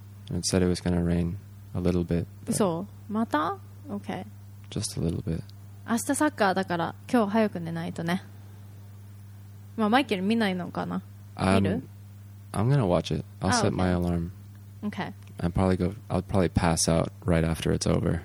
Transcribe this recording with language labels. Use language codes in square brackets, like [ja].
[en] And it said it was gonna rain a little bit. [ja] そう。また ？ [en] OK. Just a little bit. [ja] 明日サッカーだから今日早く寝ないとね。まあマイケル見ないのかな。見る [en] ？I'm gonna watch it. I'll set my alarm. Okay. I'll probably pass out right after it's over.